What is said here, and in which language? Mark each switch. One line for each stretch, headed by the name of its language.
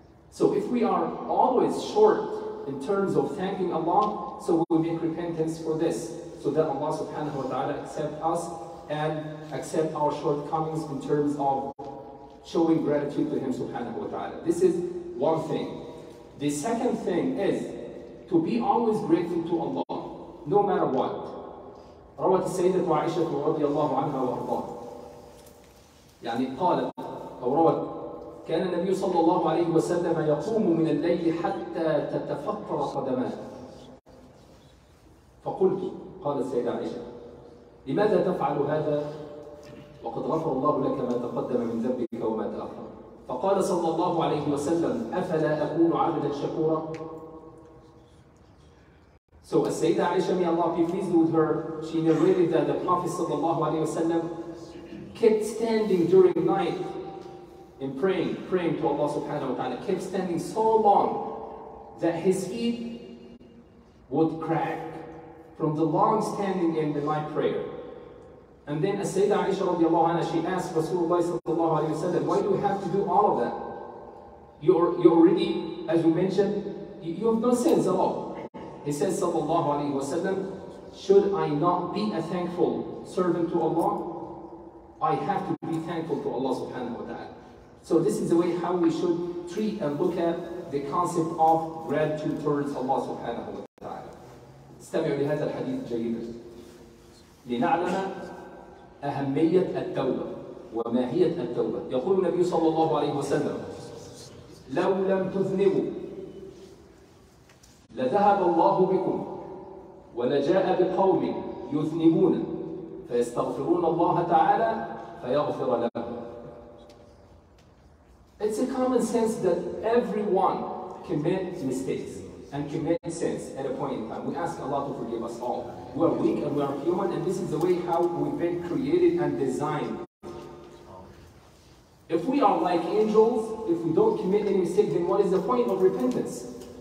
English: So if we are always short in terms of thanking Allah, so we will make repentance for this, so that Allah subhanahu wa ta'ala accept us and accept our shortcomings in terms of showing gratitude to Him subhanahu wa ta'ala. This is one thing. The second thing is to be always grateful to Allah, no matter what.
Arabic: Rawat Sayyidat Aisha radiallahu anha wa arda. يعني قالت أو روت كان النبي صلى الله عليه وسلم يقوم من الليل حتى تتفطر قدماه فقلت قال السيدة عائشة لماذا تفعل هذا وقد غفر الله لك ما تقدم من ذنبك وما تأخر فقال صلى الله عليه وسلم أفلا أكون عبدا شكورا.
English: So السيدة عائشة may Allah be pleased with her, she narrated that the Prophet
Arabic: صلى الله عليه وسلم
English: kept standing during night and praying to Allah subhanahu wa ta'ala, kept standing so long that his feet would crack from the long standing in the night prayer. And then as Sayyidah Aisha radiallahu anha, she asked Rasulullah sallallahu alayhi wa sallam, why do you have to do all of that? You're already, as you mentioned, you have no sins at all. He says sallallahu alayhi wa sallam, should I not be a thankful servant to Allah? I have to be thankful to Allah subhanahu wa ta'ala. So this is the way how we should treat and look at the concept of gratitude towards Allah subhanahu wa ta'ala.
Arabic: استمعوا لهذا الحديث جيدا. لنعلم أهمية التوبة وماهية التوبة. يقول النبي صلى الله عليه وسلم: لو لم تذنبوا لذهب الله بكم ولجاء بقوم يذنبون فيستغفرون الله تعالى فيغفر لهم.
English: It's a common sense that everyone commits mistakes and commits sins at a point in time. We ask Allah to forgive us all. We are weak and we are human, and this is the way how we've been created and designed. If we are like angels, if we don't commit any mistake, then what is the point of repentance?